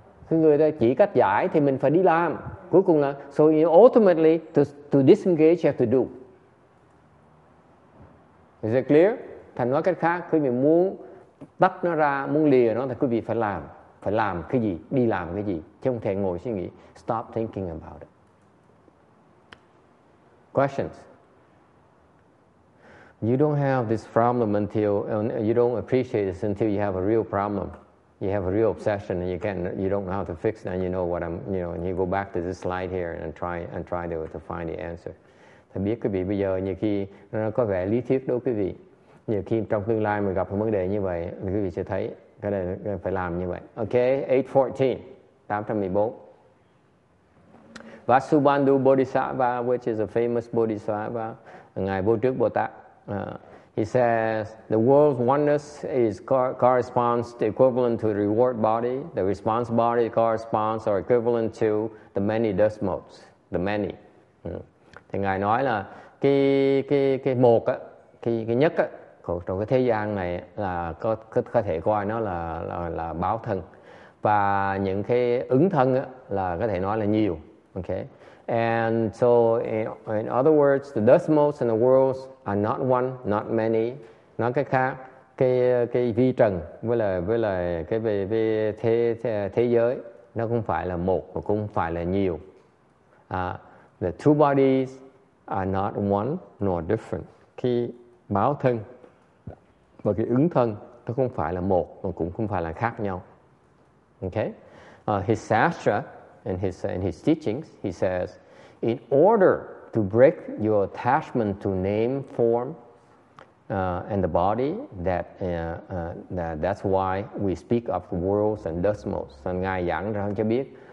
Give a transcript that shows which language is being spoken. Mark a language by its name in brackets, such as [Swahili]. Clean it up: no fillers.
[Vietnamese] Cái người ta chỉ cách giải thì mình phải đi làm. Cuối cùng là, [English] so you ultimately, to disengage, you have to do. Is it clear? [Vietnamese] Thành nói cách khác, quý vị muốn tắt nó ra, muốn lìa nó, thì quý vị phải làm. Phải làm cái gì, đi làm cái gì, chứ không thể ngồi suy nghĩ. [English] Stop thinking about it. Questions? You don't have this problem until, you don't appreciate this until you have a real problem. You have a real obsession and you don't know how to fix it. And you know what I'm, and you go back to this slide here and try to find the answer. [Vietnamese] Thì biết quý vị bây giờ nhiều khi nó có vẻ lý thuyết đối quý vị. Nhiều khi trong tương lai mình gặp một vấn đề như vậy, quý vị sẽ thấy cái này phải làm như vậy. [English] Ok, 814. Vasubandhu Bodhisattva, which is a famous Bodhisattva, Ngài Vô Trước Bồ Tát, he says, the world's oneness is corresponds to equivalent to the reward body. The response body corresponds or equivalent to the many dust motes, the many. [Vietnamese] Thì Ngài nói là cái một á, cái nhất á, trong cái thế gian này là có thể coi nó là báo thân. Và những cái ứng thân á, là có thể nói là nhiều. [English] Okay. And so in other words, the dust motes and the worlds are not one, not many. [Vietnamese] Nói cách khác, cái vi trần với lại cái về thế giới nó không phải là một và cũng phải là nhiều. [English] The two bodies are not one nor different. [Vietnamese] Khi báo thân và cái ứng thân nó không phải là một mà cũng không phải là khác nhau. [English] Okay? His sastra and his teachings, he says, in order to break your attachment to name, form, and the body, that's why we speak of worlds and dust motes. And [Vietnamese] Ngài giảng ra cho biết